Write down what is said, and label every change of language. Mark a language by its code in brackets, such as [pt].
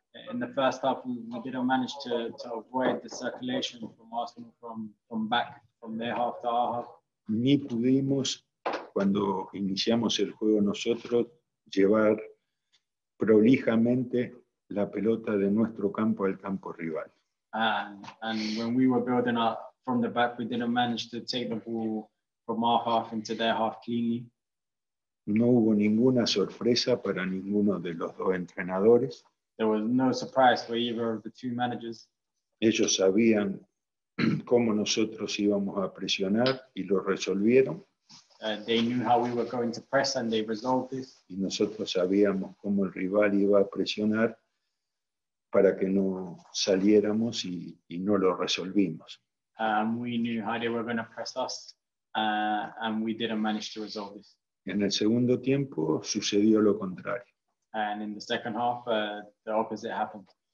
[en] In the first half we didn't manage to avoid the circulation from Arsenal from back from their half to our half. [es] Ni pudimos cuando iniciamos el juego nosotros llevar prolijamente la pelota de nuestro campo al campo rival. [en] And when we were building up from the back, we didn't manage to take the ball from our half into their half cleanly. [es] No hubo ninguna sorpresa para ninguno de los dos entrenadores. [en] There was no surprise for either of the two managers. [es] Ellos sabían cómo nosotros íbamos a presionar y lo resolvieron. [en] They knew how we were going to press and they resolved this. [es] Y nosotros sabíamos cómo el rival iba a presionar para que no saliéramos y no lo resolvimos. [en] We knew how they were going to press us, and we didn't manage to resolve this. [es] En el segundo tiempo sucedió lo contrario. [en] And in the second half, the opposite happened.